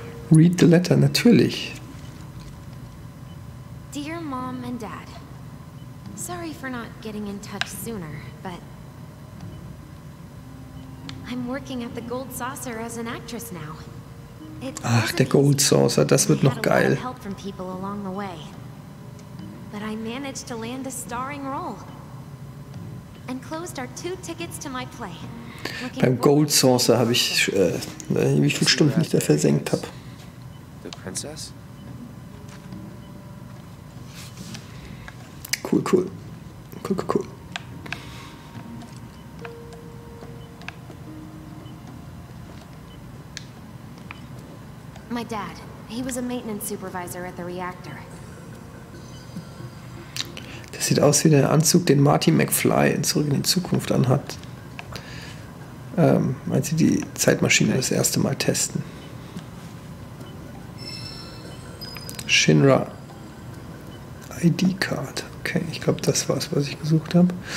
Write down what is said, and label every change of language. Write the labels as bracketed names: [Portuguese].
[English] Read the letter, [German] natürlich. [English] Dear Mom and Dad, sorry for not getting in touch sooner, but I'm working at the Gold Saucer as an actress now. [German] Ach, der Gold Saucer, das wird noch geil. [English] Help from people along the way, but I managed to land a starring role and closed our two tickets to my play. [German] Beim Gold Saucer habe ich wie viele Stunden ich da versenkt habe. [English] The Princess. Cool, cool. Cool, cool, cool. My dad, he was a maintenance supervisor at the reactor. [German] Das sieht aus wie der Anzug, den Marty McFly in Zurück in die Zukunft anhat. Als sie die Zeitmaschine das erste Mal testen. Shinra ID-Card. Okay, ich glaube, das war es, was ich gesucht habe.